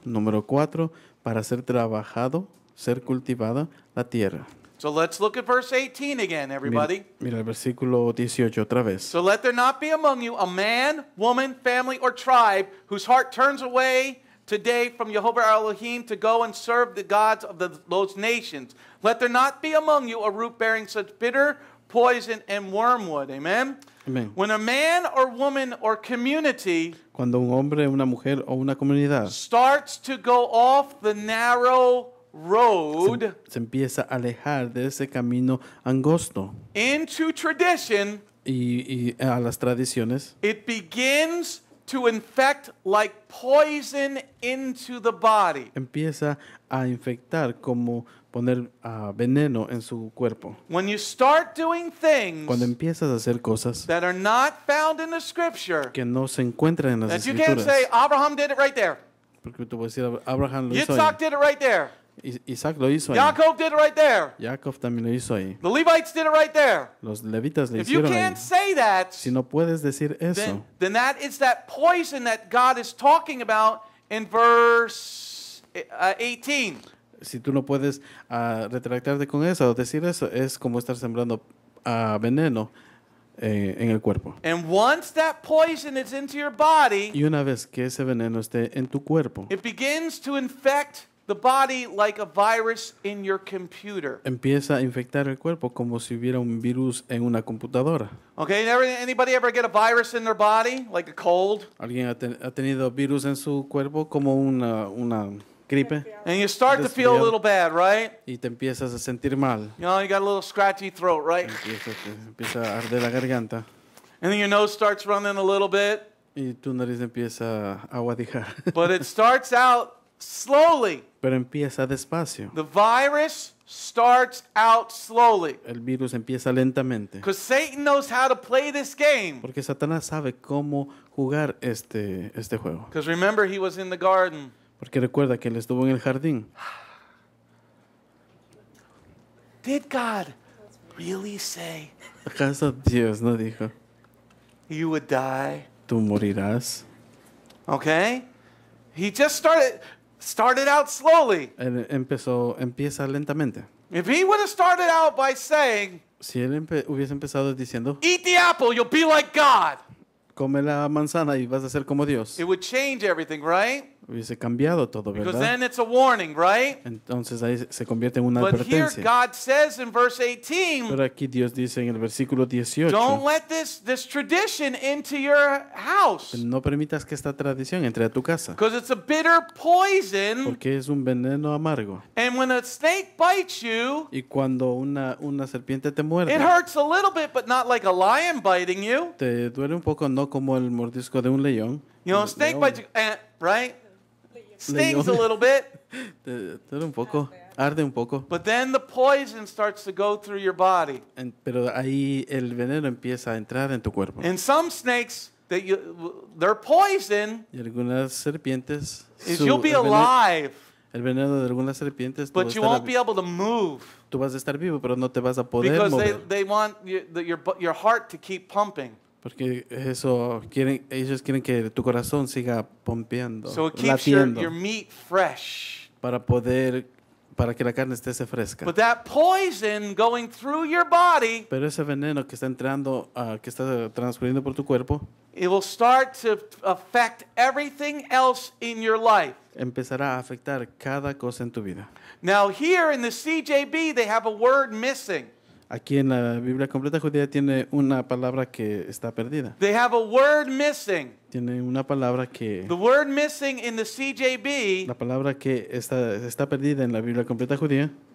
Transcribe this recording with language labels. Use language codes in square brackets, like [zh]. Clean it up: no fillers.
[es] Número cuatro, para ser trabajado, ser cultivada la tierra. [en] So let's look at verse 18 again, everybody. [es] Mira el versículo 18 otra vez. [en] So let there not be among you a man, woman, family, or tribe whose heart turns away today from Jehovah our Elohim to go and serve the gods of those nations. Let there not be among you a root bearing such bitter poison and wormwood. Amen? Amen. When a man or woman or community, [es] cuando un hombre, una mujer, o una comunidad, [en] starts to go off the narrow road, [es] se empieza a alejar de ese camino angosto, [en] into tradition, [es] y a las tradiciones, [en] it begins to infect like poison into the body. [es] Empieza a infectar como poner veneno en su cuerpo. [en] When you start doing things, [es] cuando empiezas a hacer cosas, [en] that are not found in the scripture, [es] que no se encuentran en las [en] that [es] escrituras, [en] you can't say Abraham did it right there. [es] Porque tú puedes decir Abraham lo hizo. [en] Yitzhak did it right there. [es] Isaac lo hizo ahí. [en] Jacob did it right there. [es] Jacob también lo hizo ahí. [en] The Levites did it right there. [es] Los levitas le [en] if you can't Say that, [es] si no puedes decir eso, [en] then that is that poison that God is talking about in verse 18. [es] Si tú no puedes retractarte con eso o decir eso, es como estar sembrando veneno en el cuerpo. [en] And once that poison is into your body, [es] y una vez que ese veneno esté en tu cuerpo, [en] it begins to infect the body like a virus in your computer. [es] Empieza a infectar el cuerpo como si hubiera un virus en una computadora. [en] Okay, anybody ever get a virus in their body like a cold? [es] ¿Alguien ha tenido virus en su cuerpo como una gripe? [en] And you start to feel a little bad, right? [es] Y te empiezas a sentir mal. [en] You know, you got a little scratchy throat, right? [es] Empieza a arder la garganta. [en] And then your nose starts running a little bit. [es] Y tu nariz empieza a aguadijar. [en] But it starts out slowly. [es] Pero empieza despacio. [en] The virus starts out slowly. [es] El virus empieza lentamente. [en] Because Satan knows how to play this game. [es] Porque Satanás sabe cómo jugar este juego. [en] Because remember, he was in the garden. [es] Porque recuerda que él estuvo en el jardín. [en] Did God really say? [es] ¿Acaso Dios no dijo? [en] You would die. [es] Tú morirás. [en] Okay. He just started out slowly. [es] Empieza lentamente. [en] If he would have started out by saying, [es] si él hubiese empezado diciendo, [en] eat the apple, you'll be like God. [es] Come la manzana y vas a ser como Dios. [en] It would change everything, right? [es] Hubiese cambiado todo, ¿verdad? [en] Because then it's a warning, right? [es] Entonces ahí se convierte en una [en] but [es] advertencia. [en] But here God says in verse 18, [es] pero aquí Dios dice en el versículo 18, [en] don't let this tradition into your house. [es] No permitas que esta tradición entre a tu casa. [en] Because it's a bitter poison. [es] Porque es un veneno amargo. [en] And when a snake bites you, [es] y cuando una serpiente te muerde, [en] it hurts a little bit, but not like a lion biting you. [es] Te duele un poco, no como el mordisco de un león. [en] You know, snake bites you, right? Stings a little bit. [es] Un poco, arde un poco. [en] But then the poison starts to go through your body. [es] Pero ahí el veneno empieza a entrar en tu cuerpo. [en] And some snakes, their poison, [es] y algunas serpientes, [en] is you'll be alive. [es] El veneno de algunas serpientes, [en] but you won't be able to move. [es] Tú vas a estar vivo, pero no te vas a poder [en] because [es] mover. [en] Because they want your heart to keep pumping. [es] Porque eso quieren, ellos quieren que tu corazón siga pompeando, [en] so [es] latiendo. [en] Your meat fresh. [es] Para que la carne esté fresca. [en] But that poison going through your body, [es] pero ese veneno que está entrando, que está transcurriendo por tu cuerpo, [en] it will start to affect everything else in your life. [es] Empezará a afectar cada cosa en tu vida. [en] Now here in the CJB, they have a word missing. [es] Aquí en la Biblia completa judía tiene una palabra que está perdida. [en] They have a word missing. [es] Tiene una palabra que. [en] The word missing in the CJB. [es] La palabra que está perdida en la Biblia completa judía.